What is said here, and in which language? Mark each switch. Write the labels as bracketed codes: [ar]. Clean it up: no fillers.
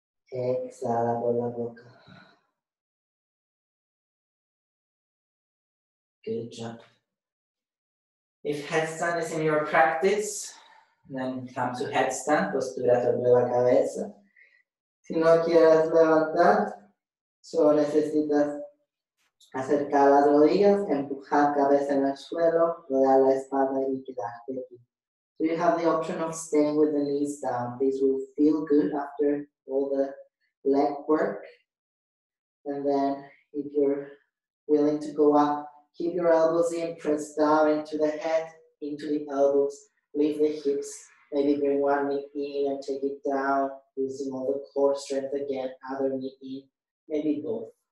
[es] Exhala por la boca. [en] Good job. If headstand is in your practice, then come to headstand, [es] postura sobre la cabeza. Si no quieres levantar, solo necesitas acercar las rodillas, empujar cabeza en el suelo, rodear la espalda y quedarte aquí. [en] So you have the option of staying with the knees down. This will feel good after all the leg work. And then if you're willing to go up, keep your elbows in, press down into the head, into the elbows, lift the hips, maybe bring one knee in and take it down, using all the core strength again, other knee in, maybe both.